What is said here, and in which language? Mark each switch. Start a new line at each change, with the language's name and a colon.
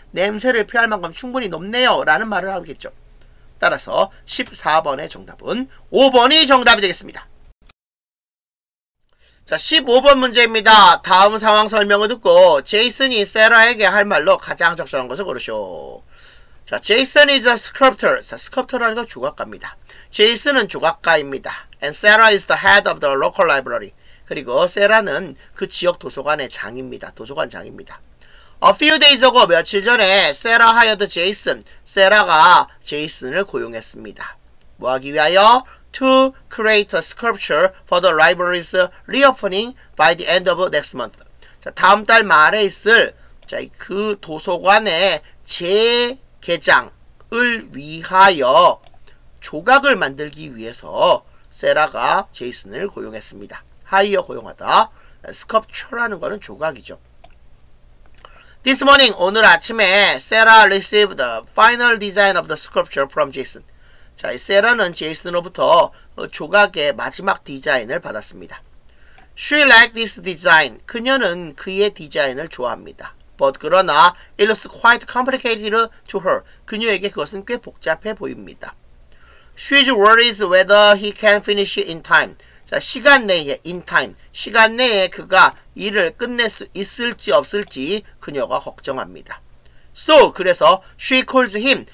Korean: 냄새를 피할 만큼 충분히 높네요. 라는 말을 하겠죠. 따라서 14번의 정답은 5번이 정답이 되겠습니다. 자, 15번 문제입니다. 다음 상황 설명을 듣고 제이슨이 세라에게 할 말로 가장 적절한 것을 고르쇼.
English: 자, 제이슨 is a sculptor.
Korean: 자, 스컬프터라는 건 조각가입니다. 제이슨은 조각가입니다.
English: And Sarah is the head of the local library.
Korean: 그리고 세라는 그 지역 도서관의 장입니다. 도서관장입니다.
English: A few days ago,
Korean: 며칠 전에
English: 세라 hired Jason.
Korean: 세라가 제이슨을 고용했습니다. 뭐 하기 위하여?
English: To create a sculpture for the library's reopening by the end of next month.
Korean: 자, 다음 달 말에 있을 자, 그 도서관의 재개장을 위하여 조각을 만들기 위해서 세라가 제이슨을 고용했습니다. 하이어 고용하다. 스컬프처라는 거는 조각이죠.
English: This morning,
Korean: 오늘 아침에
English: 세라 received the final design of the sculpture from Jason.
Korean: 자, 세라는 제이슨으로부터 조각의 마지막 디자인을 받았습니다.
English: She liked this design.
Korean: 그녀는 그의 디자인을 좋아합니다.
English: But
Korean: 그러나
English: it looks quite complicated to her.
Korean: 그녀에게 그것은 꽤 복잡해 보입니다.
English: She's worried whether he can finish in time.
Korean: 자, 시간 내에,
English: in time.
Korean: 시간 내에 그가 일을 끝낼 수 있을지 없을지 그녀가 걱정합니다.
English: So,
Korean: 그래서
English: she calls him.